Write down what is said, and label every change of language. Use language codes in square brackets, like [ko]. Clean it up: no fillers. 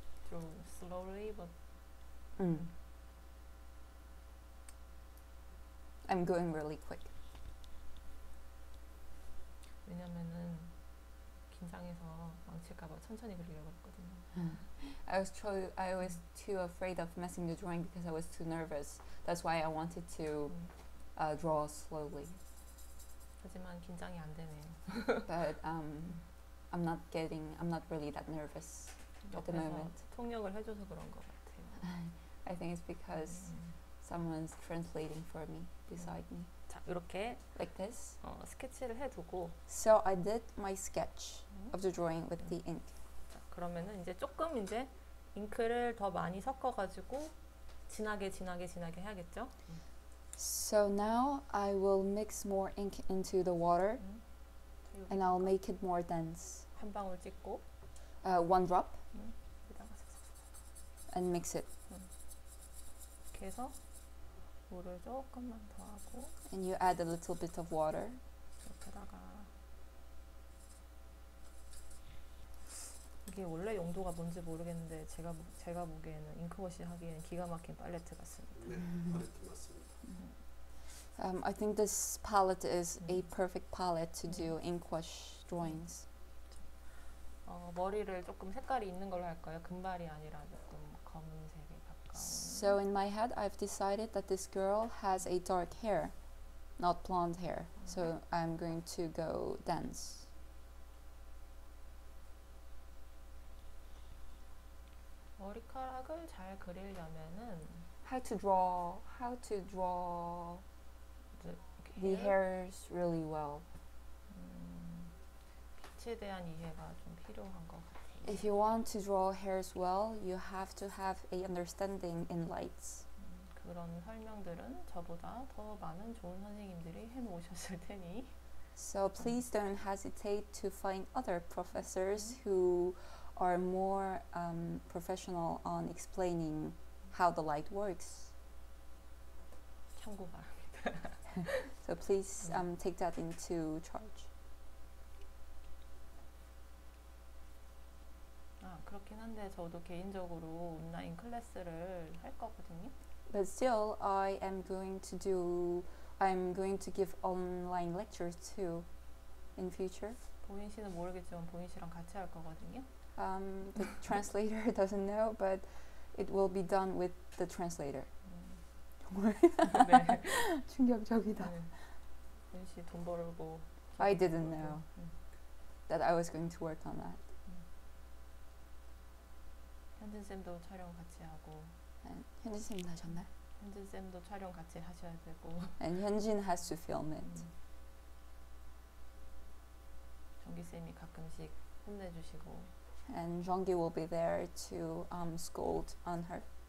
[en] draw slowly, but I'm going really quick. [ko] 왜냐면은 긴장해서 망칠까 봐 천천히 그리려고 했거든요. [en] I was too afraid of messing the drawing because I was too nervous. That's why I wanted to draw slowly. [ko] 하지만 긴장이 안 되네요. [en] But I'm not really that nervous at the moment. [ko] 통역을 해줘서 그런 것 같아요. [en] I think it's because someone's translating for me beside me. [ko] 자, 이렇게 [en] like this. [ko] 스케치를 해두고. [en] So I did my sketch of the drawing with the ink. [ko] 자, 그러면은 이제 조금 이제 잉크를 더 많이 섞어가지고 진하게 해야겠죠? [en] So now I will mix more ink into the water and I'll make it more dense. [ko] 한 방울 찍고 [en] one drop and mix it. [ko] 이렇게 해서 물을 조금만 더 하고 [en] and you add a little bit of water. [ko] 옆에다가 이게 원래 용도가 뭔지 모르겠는데 제가 보기에는 잉크워시 하기에는 기가 막힌 팔레트 같습니다. 네, 팔레트 맞습니다. [en] I think this palette is a perfect palette to do inkwash drawings. [ko] 머리를 조금 색깔이 있는 걸로 할까요? 금발이 아니라 조금 검은색에 가까운. [en] So in my head, I've decided that this girl has a dark hair, not blonde hair. So I'm going to go dense. [ko] 머리카락을 잘 그리려면은 [en] how to draw the hairs really well. [ko] 빛에 대한 이해가 좀 필요한 것 같아요. [en] If you want to draw hairs well, you have to have an understanding in lights. [ko] 그 그런 설명들은 저보다 더 많은 좋은 선생님들이 해놓으셨을 테니. [en] So please don't hesitate to find other professors who are more professional on explaining how the light works. [ko] 참고 바랍니다. [en] So please take that into charge. [ko] 아, 그렇긴 한데 저도 개인적으로 온라인 클래스를 할 거거든요. [en] But still, I am going to do, I'm going to give online lectures too in future. [ko] 보인 씨는 모르겠지만 보인 씨랑 같이 할 거거든요. [en] The translator doesn't know, but it will be done with the translator. [ko] 정말 충격적이다. 보인 씨 돈 벌고. [en] I didn't know that I was going to work on that. [ko] 현진 쌤도 촬영 같이 하고. 현진 쌤 나셨나? 현진 쌤도 촬영 같이 하셔야 되고. [en] And 현진 has to film it. [ko] 정기 쌤이 가끔씩 혼내주시고. [en] And 정기 will be there to scold on her.